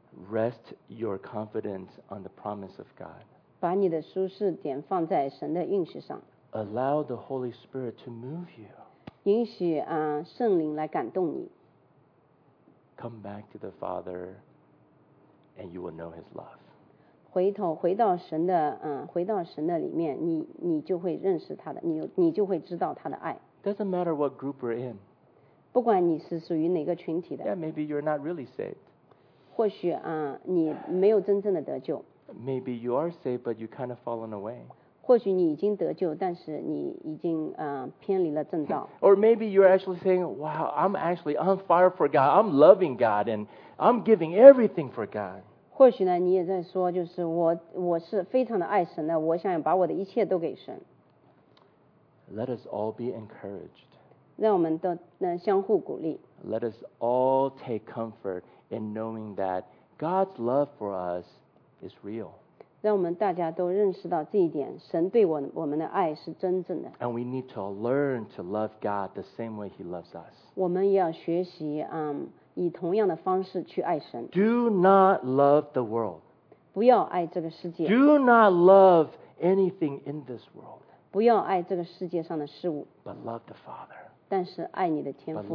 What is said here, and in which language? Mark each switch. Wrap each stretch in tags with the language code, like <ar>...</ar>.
<en>Rest your confidence on the promise of God.</en> <zh>把你的舒适点放在神的应许上。</zh> <en>Allow the Holy Spirit to move you.</en> <zh>允许圣灵来感动你。</zh> <en>Come back to the Father, and you will know His love.</en> <zh>回头回到神的回到神的里面，你就会认识他的，你就会知道他的爱。</zh> <en>Doesn't matter what group we're in.</en> <zh>不管你是属于哪个群体的。</zh> <en>Yeah, maybe you're not really saved.</en> <zh>或许你没有真正的得救。</zh> <en>Maybe you are saved, but you've kind of fallen away.</en> <zh>或许你已经得救，但是你已经偏离了正道。</zh> <en>Or maybe you're actually saying, "Wow, I'm actually on fire for God. I'm loving God, and I'm giving everything for God."</en> <zh>或许呢，你也在说，就是我是非常的爱神的，我想把我的一切都给神。</zh> <en>Let us all be encouraged.</en> <zh>让我们都相互鼓励。</zh> <en>Let us all take comfort in knowing that God's love for us is real.</en> <zh>让我们大家都认识到这一点，神对我们的爱是真正的。</zh> <en>And we need to learn to love God the same way He loves us.</en> <zh>我们也要学习以同样的方式去爱神。</zh> <en>Do not love the world.</en> <zh>不要爱这个世界。</zh> <en>Do not love anything in this world.</en> <zh>不要爱这个世界上的事物。</zh> <en>But love the Father.</en> <zh>但是爱你的天父。</zh>